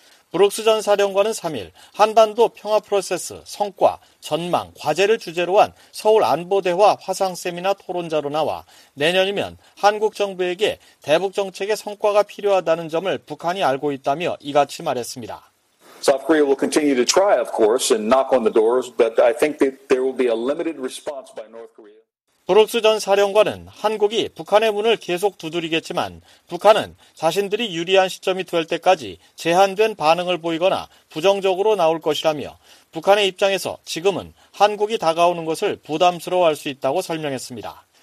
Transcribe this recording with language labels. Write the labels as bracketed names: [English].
[Korean] 브룩스 전 사령관은 3일 한반도 평화 프로세스, 성과, 전망, 과제를 주제로 한 서울 안보대화 화상 세미나 토론자로 나와 내년이면 한국 정부에게 대북 정책의 성과가 필요하다는 점을 북한이 알고 있다며 이같이 말했습니다. [English] South Korea will continue to try, of course, and knock on the doors, but I think that there will be a limited response by North Korea. [Korean] 브룩스 전 사령관은 한국이 북한의 문을 계속 두드리겠지만 북한은 자신들이 유리한 시점이 될 때까지 제한된 반응을 보이거나 부정적으로 나올 것이라며 북한의 입장에서 지금은 한국이 다가오는 것을 부담스러워할 수 있다고 설명했습니다.